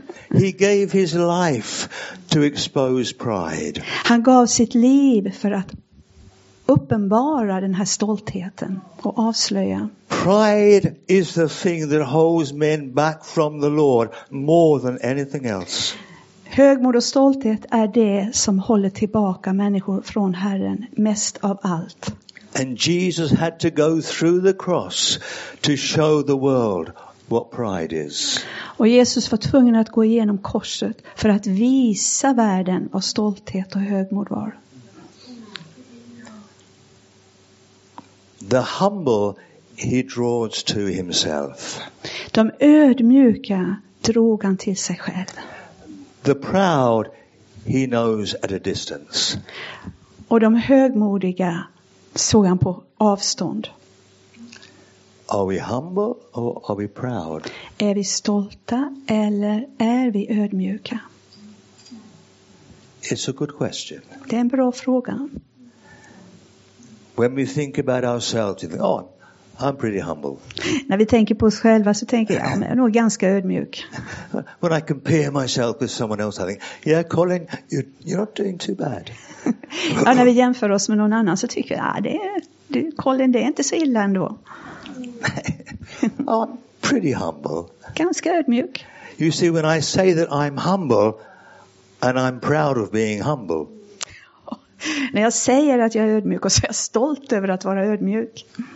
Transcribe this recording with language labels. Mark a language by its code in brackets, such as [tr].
[en] He gave his life to expose pride. [sv] Han gav sitt liv för att uppenbara den här stoltheten och avslöja. [en] Pride is the thing that holds men back from the Lord more than anything else. [sv] Högmod och stolthet är det som håller tillbaka människor från Herren mest av allt. [en] And Jesus had to go through the cross to show the world what pride is. [sv] Och Jesus var tvungen att gå igenom korset för att visa världen vad stolthet och högmod var. [en] The humble he draws to himself. [sv] De ödmjuka drog han till sig själv. [en] The proud he knows at a distance. [sv] Och de högmodiga såg han på avstånd. [en] Are we humble or are we proud? [sv] Är vi stolta eller är vi ödmjuka? [en] It's a good question. [sv] Det är en bra fråga. [en] When we think about ourselves, you think, oh, I'm pretty humble. [sv] När vi tänker på oss själva så tänker jag, jag är nog ganska ödmjuk. [en] When I compare myself with someone else, I think, yeah, Colin, you're not doing too bad. [sv] Ja, när vi jämför oss med någon annan så tycker jag, Colin, det är inte så illa ändå. [en] I'm pretty humble. [sv] Ganska ödmjuk. [en] You see, when I say that I'm humble and I'm proud of being humble. [sv] När jag säger att jag är ödmjuk och så är jag stolt över att vara ödmjuk.